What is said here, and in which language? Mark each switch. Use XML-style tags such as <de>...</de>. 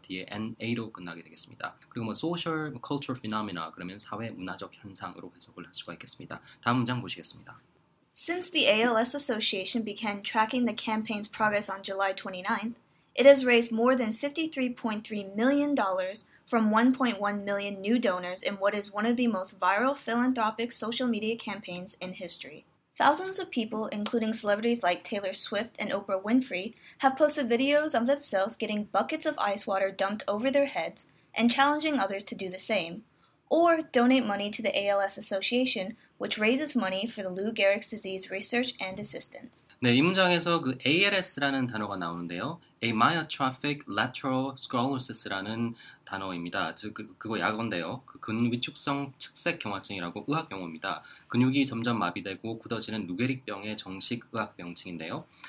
<ko>뒤에 na로 끝나게 되겠습니다. 그리고 뭐 social, cultural phenomena 그러면 사회 문화적 현상으로 해석을 할 수가 있겠습니다. 다음 문장 보시겠습니다.</ko> <en>Since the ALS Association began tracking the campaign's progress on July 29th, it has raised more than $53.3 million from 1.1 million new donors in what is one of the most viral philanthropic social media campaigns in history. Thousands of people, including celebrities like Taylor Swift and Oprah Winfrey, have posted videos of themselves getting buckets of ice water dumped over their heads and challenging others to do the same, or donate money to the ALS Association, which raises money for the Lou Gehrig's disease research and assistance.</en> <ko>네, 이 문장에서 그 ALS라는 단어가 나오는데요. Amyotrophic lateral sclerosis라는 단어입니다. 즉 그거 약어인데요. 그 근위축성 측색 경화증이라고 의학 용어입니다. 근육이 점점 마비되고 굳어지는 루게릭병의 정식 의학 명칭인데요.</ko>